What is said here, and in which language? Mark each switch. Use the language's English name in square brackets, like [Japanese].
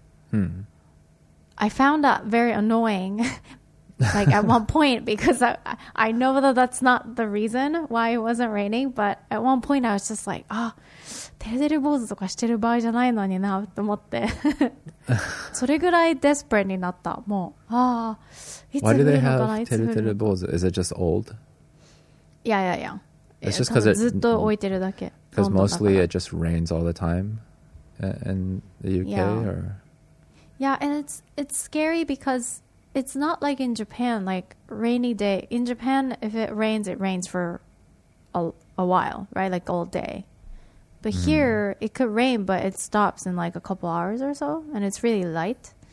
[English] Hmm. I found that very annoying, like, at one point, because I know that that's not the reason why it wasn't raining, but at one point I was just like, ah, Teruteru Boza [Japanese] とかしてる場合じゃないのにな、と思って。それぐらいデスプレになったもうああいつ見るのかないつ見るのか [English] Is it just old? [Japanese] いやいやいや [English] It's just because [Japanese] ずっと置いてるだけ [English] Because mostly it just rains all the time in the UK yeah. or Yeah and it's scary because it's not like in Japan like rainy day in Japan if it rains it rains for a while right like all dayBut here, it could rain, but it stops in like a couple hours or so, and it's really light.